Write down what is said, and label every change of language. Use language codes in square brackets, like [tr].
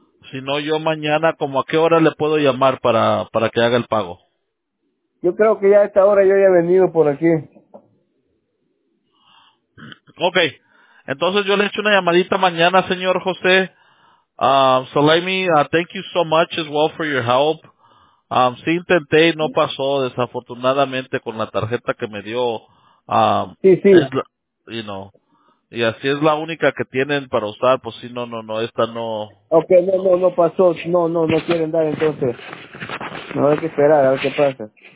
[es] Si no, yo mañana, ¿como a qué hora le puedo llamar para que haga el pago? Yo creo que ya a esta hora yo ya he venido por aquí. Okay, entonces yo le echo una llamadita mañana, señor José. [en] Salami, thank you so much as well for your help. [es] Sí intenté y no pasó, desafortunadamente, con la tarjeta que me dio. Sí. Y así es la única que tienen para usar, pues sí, no, esta no. Okay, no pasó, no quieren dar, entonces. No hay que esperar a ver qué pasa.